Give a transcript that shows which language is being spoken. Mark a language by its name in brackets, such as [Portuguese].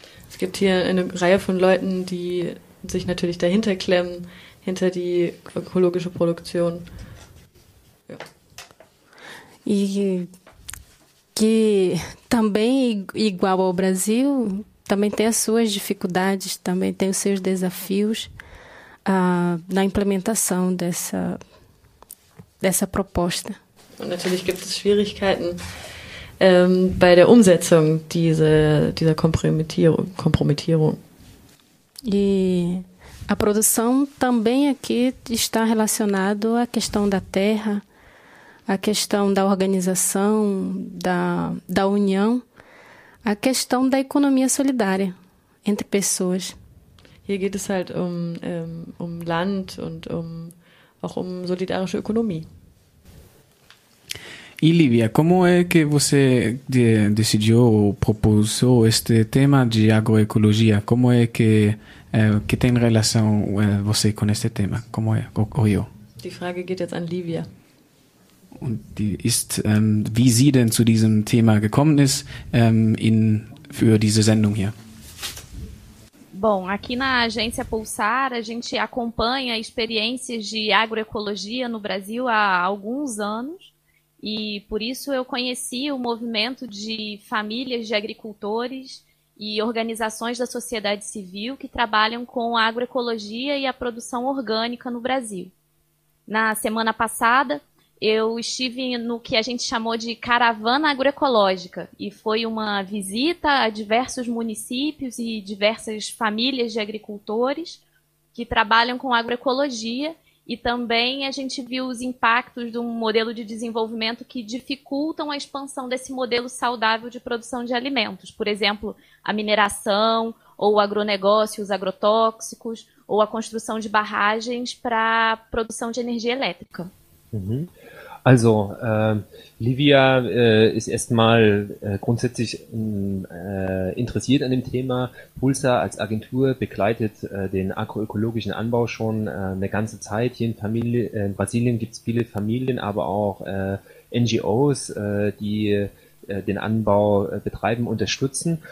[German] Es gibt hier eine Reihe von Leuten, die sich natürlich dahinter klemmen, hinter die ökologische Produktion. Ja. [Portuguese] E que também, igual ao Brasil, também tem as suas dificuldades, também tem os seus desafios na implementação dessa proposta. [German] Und natürlich gibt es Schwierigkeiten bei der Umsetzung dieser Kompromittierung. [Portuguese] E a produção também aqui está relacionada à questão da terra, à questão da organização, da união, à questão da economia solidária entre pessoas. [German] Hier geht es halt Land und auch solidarische Ökonomie. [Portuguese] E Lívia, como é que você decidiu ou propôs este tema de agroecologia? Como é que tem relação você com este tema? Como é que ocorreu? [German] Die Frage geht jetzt an Lívia. Und die ist, wie sie denn zu diesem Thema gekommen ist, für diese Sendung hier? [Portuguese] Bom, aqui na Agência Pulsar, a gente acompanha experiências de agroecologia no Brasil há alguns anos. E por isso eu conheci o movimento de famílias de agricultores e organizações da sociedade civil que trabalham com a agroecologia e a produção orgânica no Brasil. Na semana passada, eu estive no que a gente chamou de caravana agroecológica e foi uma visita a diversos municípios e diversas famílias de agricultores que trabalham com agroecologia. E também a gente viu os impactos de um modelo de desenvolvimento que dificultam a expansão desse modelo saudável de produção de alimentos. Por exemplo, a mineração, ou o agronegócio, os agrotóxicos, ou a construção de barragens para produção de energia elétrica. Uhum. [German] Also, Lívia ist erstmal grundsätzlich interessiert an dem Thema. Pulsar als Agentur begleitet den agroökologischen Anbau schon eine ganze Zeit. Hier in Brasilien gibt es viele Familien, aber auch NGOs, die den Anbau betreiben, unterstützen.